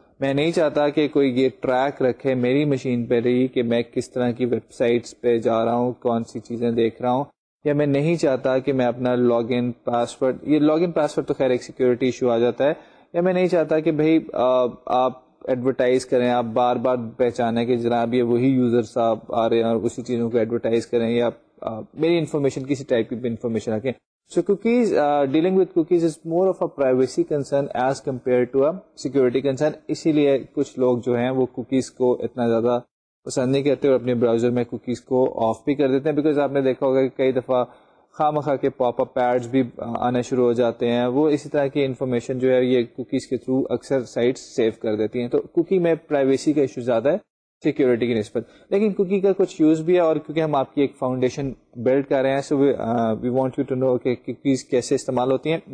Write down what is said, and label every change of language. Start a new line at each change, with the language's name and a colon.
Urdu: میں نہیں چاہتا کہ کوئی یہ ٹریک رکھے میری مشین پہ رہی کہ میں کس طرح کی ویب سائٹس پہ جا رہا ہوں, کون سی چیزیں دیکھ رہا ہوں, یا میں نہیں چاہتا کہ میں اپنا لاگ ان پاسورڈ, یہ لاگ ان پاسورڈ تو خیر ایک سیکیورٹی ایشو آ جاتا ہے, یا میں نہیں چاہتا کہ بھائی آپ ایڈورٹائز کریں, آپ بار بار پہچانیں کہ جناب یہ وہی یوزر صاحب آ رہے ہیں اور اسی چیزوں کو ایڈورٹائز کریں, یا میری انفارمیشن کسی ٹائپ کی بھی انفارمیشن رکھیں.
English: So cookies, dealing with cookies is more of a privacy concern as compare to a security concern.
Urdu: اسی لیے کچھ لوگ جو ہیں وہ کوکیز کو اتنا زیادہ پسند نہیں کرتے اور اپنے براؤزر میں کوکیز کو آف بھی کر دیتے ہیں, بیکاز آپ نے دیکھا ہوگا کہ کئی دفعہ خواہ مخواہ کے پاپ اپ ایڈز بھی آنا شروع ہو جاتے ہیں. وہ اسی طرح کی انفارمیشن جو ہے یہ کوکیز کے تھرو اکثر سائٹس سیو کر دیتی ہیں. تو کوکی میں پرائیویسی کا ایشو زیادہ ہے سیکیورٹی کی نسبت, لیکن کوکی کا کچھ یوز بھی ہے, اور کیونکہ ہم آپ کی ایک فاؤنڈیشن بلڈ کر رہے ہیں,
English: so we want you to know
Urdu: کہ کوکیز کیسے استعمال ہوتی ہیں.